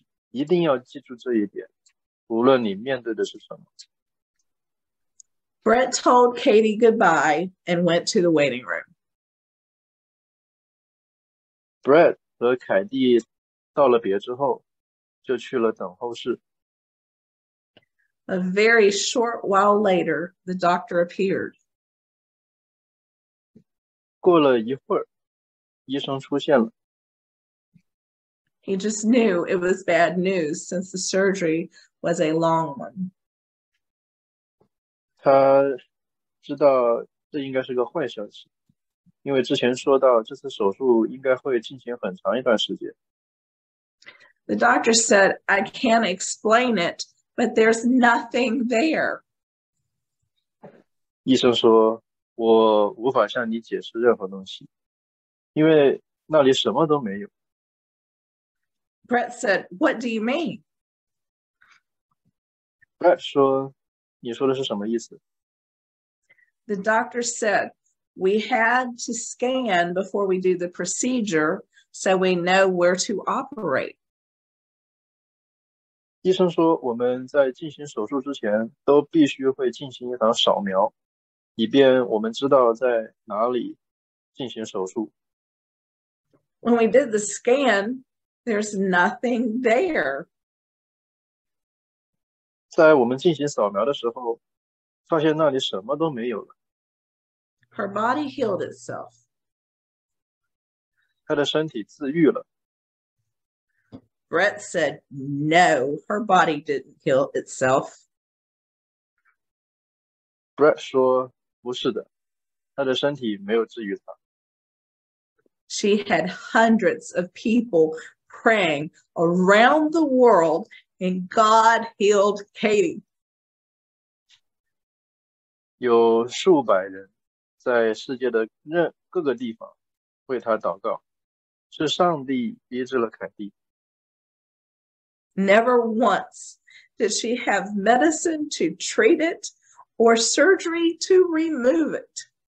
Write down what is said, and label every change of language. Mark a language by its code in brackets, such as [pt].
[zh] 一定要记住这一点，无论你面对的是什么。 [en] Brett told Katie goodbye and went to the waiting room. [zh] Brett 和凯蒂道了别之后，就去了等候室。 [en] A very short while later, the doctor appeared. [zh] 过了一会儿，医生出现了。 [en] He just knew it was bad news since the surgery was a long one. [zh] 他知道这应该是个坏消息。因为之前说到这次手术应该会进行很长一段时间。 [en] The doctor said, I can't explain it, but there's nothing there. [zh] 医生说，我无法向你解释任何东西，因为那里什么都没有。 [en] Brett said, what do you mean? [zh] Brett 说，你说的是什么意思？ [en] The doctor said,We had to scan before we do the procedure so we know where to operate. [zh] 医生说我们在进行手术之前都必须会进行一场扫描以便我们知道在哪里进行手术。 [en] When we did the scan, there's nothing there. [zh] 在我们进行扫描的时候发现那里什么都没有了。 [en] Her body healed itself. [zh] 她的身体自愈了。 [en] Brett said, no, her body didn't heal itself. [zh] Brett 说不是的，她的身体没有治愈她。 [en] She had hundreds of people praying around the world and God healed Katie. [zh] 有数百人在世界的各个地方为他祷告，是上帝医治了凯蒂。 [en] Never once did she have medicine to treat it or surgery to remove it.